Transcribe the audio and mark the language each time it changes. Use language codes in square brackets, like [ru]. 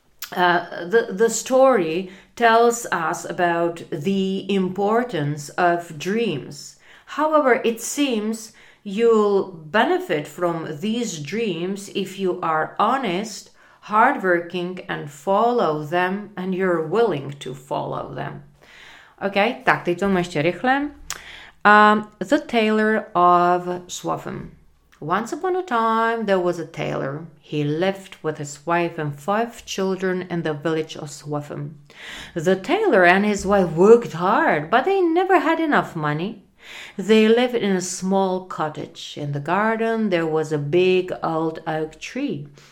[en] The story tells us about the importance of dreams. However, it seems you'll benefit from these dreams if you are honest, hardworking, and follow them, and you're willing to follow them. [cs] Okay, tak teď to ještě rychle. [en] The tailor of Swaffham. Once upon a time, there was a tailor. He lived with his wife and 5 children in the village of Swaffham. The tailor and his wife worked hard, but they never had enough money. They lived in a small cottage. In the garden, there was a big old oak tree.